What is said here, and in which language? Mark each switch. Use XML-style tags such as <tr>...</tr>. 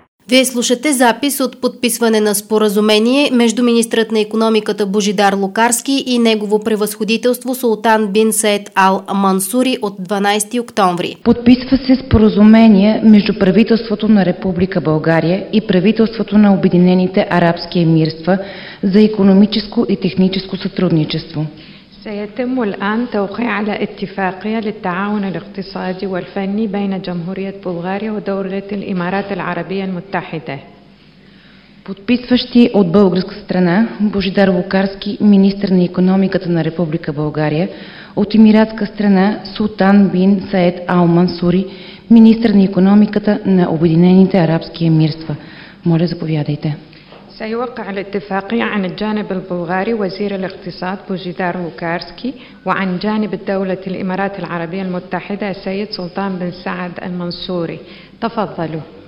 <bg>Вие слушате запис от подписване на споразумение между министрът на икономиката Божидар Лукарски и негово превъзходителство Султан бин Саед Ал Мансури от 12 октомври. Подписва се споразумение между правителството на Република България и правителството на Обединените арабски емирства за икономическо и техническо сътрудничество.</bg> <ar>سيتم الآن توقيع على اتفاقية للتعاون الاقتصادي والفني بين جمهورية بلغاريا ودولة الإمارات العربية المتحدة.</ar> <bg>Подписващи от българска страна Божидар Лукарски, министър на икономиката на Република България, от емиратска страна Султан бин Саед Ал Мансури, министър на икономиката на Обединените арабски емирства. Моля, заповядайте.</bg> <ar>سيوقع الاتفاقية عن الجانب البلغاري وزير الاقتصاد بوجيدار لوكارسكي وعن جانب الدولة الإمارات العربية المتحدة السيد سلطان بن سعد المنصوري تفضلوا.</ar>